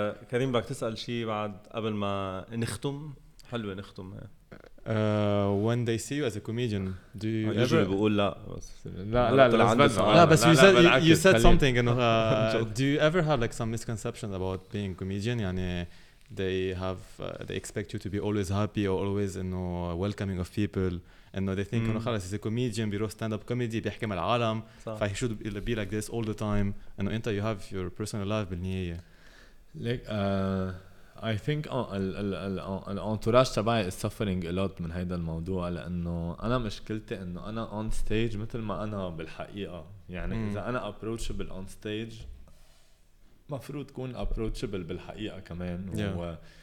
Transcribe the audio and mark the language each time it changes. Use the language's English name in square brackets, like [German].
[Arabic] كريم بدك تسأل شيء بعد قبل ما نختم؟ حلوة نختم. [English] When they see you as a comedian, do you [Arabic] ever بقول لا بس لا لا لا بس لا بس [English] you said something إنه do you ever have like some misconception about being a comedian؟ يعني they expect you to be always happy or always you know welcoming of people. And they think, you know, خلاص, he's a comedian, he wrote stand-up comedy, [Arabic] بيحكي مع العالم. [English] So he should be like this all the time. And أنت, you have your personal life بالنهاية. Like, I think the entourage [Arabic] تبعي [English] is suffering a lot [Arabic] من هيدا الموضوع، لأنه أنا مشكلتي إنه أنا [English] on stage [Arabic] مثل ما أنا بالحقيقة. يعني إذا أنا [English] approachable on stage، [Arabic] مفروض تكون approachable بالحقيقة كمان.